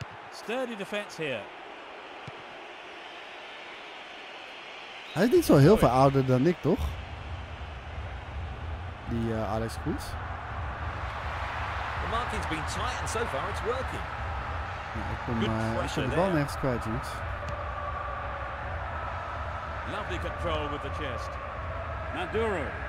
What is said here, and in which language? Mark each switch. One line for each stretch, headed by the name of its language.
English: Sturdy defense here.
Dutch: Hij is niet zo heel veel ouder dan ik, toch? Die Alex Kroes.
English: The marking's been tight and so far it's working.
Dutch: Ja, ik kom de bal nergens kwijt, jongens.
English: Lovely control with the chest. Maduro.